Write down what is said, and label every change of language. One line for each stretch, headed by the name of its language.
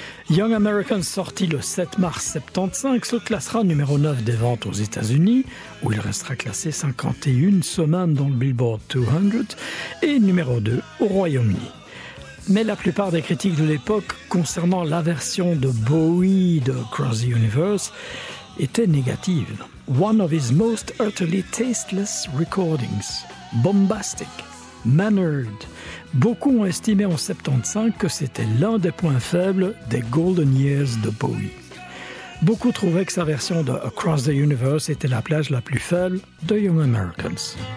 French: Young Americans, sorti le 7 mars 75, se classera numéro 9 des ventes aux États-Unis, où il restera classé 51 semaines dans le Billboard 200, et numéro 2 au Royaume-Uni. Mais la plupart des critiques de l'époque concernant la version de Bowie de Across the Universe étaient négatives.
English: One of his most utterly tasteless recordings. Bombastic. Mannered.
French: Beaucoup ont estimé en 75 que c'était l'un des points faibles des Golden Years de Bowie. Beaucoup trouvaient que sa version de Across the Universe était la plage la plus faible de Young Americans.